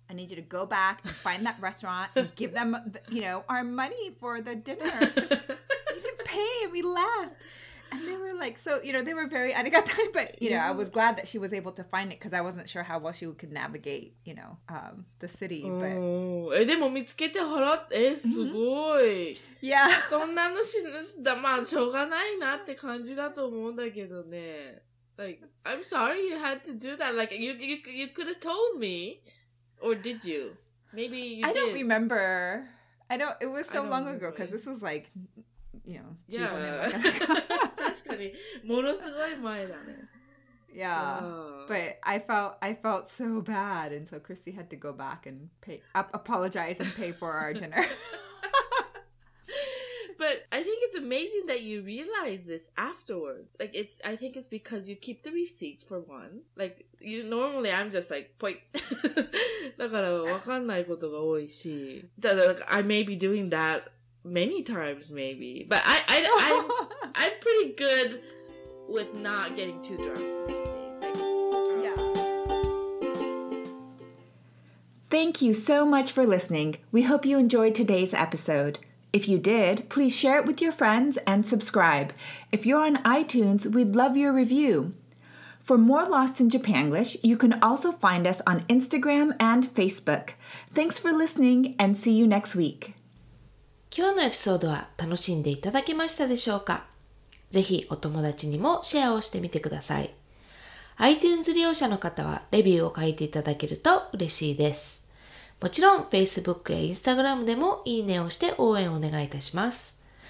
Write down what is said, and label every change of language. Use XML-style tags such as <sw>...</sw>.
<en>I need you to go back and find that restaurant and give them, you know, our money for the dinner. Pay and we left, and they were like, so you know, they were very arigata, but you know, I was glad that she was able to find it because I wasn't sure how well she could navigate, you know, the city. But</en> <ja>でも見つけて払って、すごい。</ja> <en>Yeah.</en> <ja>そんなのし、まあしょうがないなって感じだと思うんだけどね。</ja> <en>Like, I'm sorry you had to do that. Like, you could have told me, or did you? Maybe you did. I don't remember. I don't. It was so long ago because this was like. You know, yeah.</en> <ja>確かに、ものすごい前だね。</ja> <en>Yeah. But I felt so bad, and so Chrissy had to go back and apologize and pay for our dinner. But I think it's amazing that you realize this afterwards. Like, I think it's because you keep the receipts for one. Like, you normally, I'm just like, point.</en> <ja>だから、わかんないことが多いし。</ja> <en>ただ、like, I may be doing that. Many times, maybe. But I'm pretty good with not getting too drunk these days. Thank you so much for listening. We hope you enjoyed today's episode. If you did, please share it with your friends and subscribe. If you're on iTunes, we'd love your review. For more Lost in Japanglish, you can also find us on Instagram and Facebook. Thanks for listening and see you next week.</en> <ja>今日のエピソードは楽しんでいただけましたでしょうか？ぜひお友達にもシェアをしてみてください。 iTunes 利用者の方はレビューを書いていただけると嬉しいです。もちろん Facebook や Instagram でもいいねをして応援をお願いいたします。</ja>